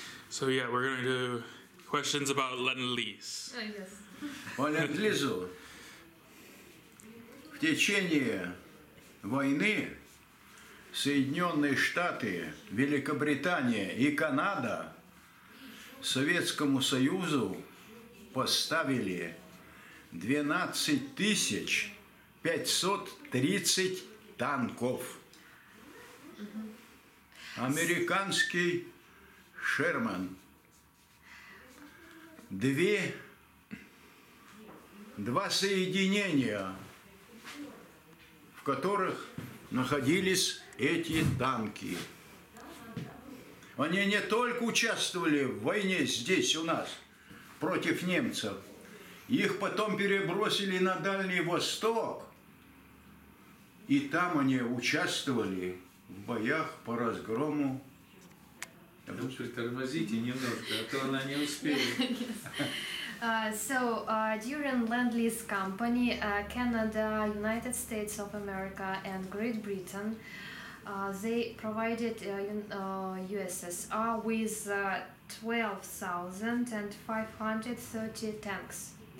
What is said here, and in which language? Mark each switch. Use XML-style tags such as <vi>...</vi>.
<en>So yeah, we're going to do questions about Ленд-лиз.</en> <ru>По Ленд-лизу. В течение войны Соединенные Штаты, Великобритания и Канада Советскому Союзу поставили 12 530 танков. Американский Шерман. Два соединения, в которых находились эти танки. Они не только участвовали в войне здесь у нас против немцев, их потом перебросили на Дальний Восток, и там они участвовали в боях по разгрому.</ru> <en>So, during Lend-Lease Company, Canada, United States of America, and Great Britain, they provided USSR with 12,530 tanks.</en>